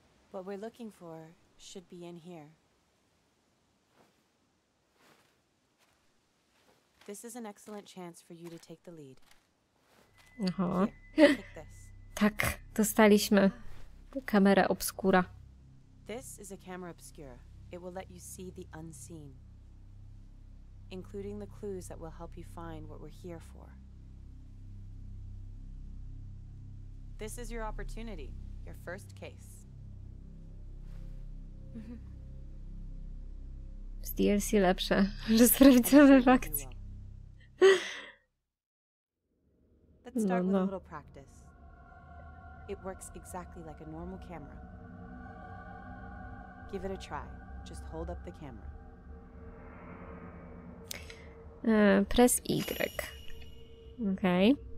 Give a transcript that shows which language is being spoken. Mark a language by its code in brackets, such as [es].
[en] What we're looking for should be in here. This is an excellent chance for you to take the lead. Aha. [pl] Tak, dostaliśmy kamerę obskura. [en] This is a camera obscura. It will let you see the unseen, including the clues that will help you find what we're here for. This is your opportunity, your first case. [pl] Z DLC lepsze, że sprawdzamy w akcji. [en] Let's start with a little practice. It works exactly like a normal camera. Give it a try. Just hold up the camera. Press Y. Okay.